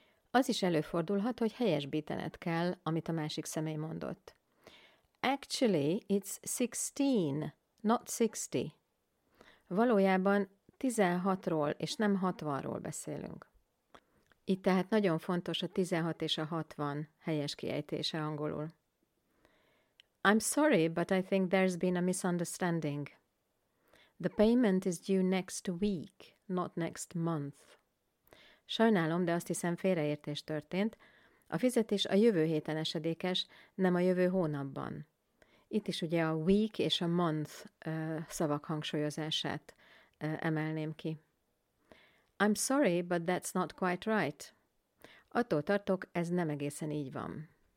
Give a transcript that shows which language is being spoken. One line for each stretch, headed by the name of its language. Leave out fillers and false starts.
Hungarian: Az is előfordulhat, hogy helyesbítened kell, amit a másik személy mondott.
English: Actually, it's 16. Not 60.
Hungarian: Valójában 16-ról és nem 60-ról beszélünk. Itt tehát nagyon fontos a 16 és a 60 helyes kiejtése angolul.
English: I'm sorry, but I think there's been a misunderstanding. The payment is due next week, not next month.
Hungarian: Sajnálom, de azt hiszem félreértés történt. A fizetés a jövő héten esedékes, nem a jövő hónapban. Itt is ugye a week és a month szavak hangsúlyozását emelném ki.
English: I'm sorry, but that's not quite right.
Hungarian: Attól tartok, ez nem egészen így van.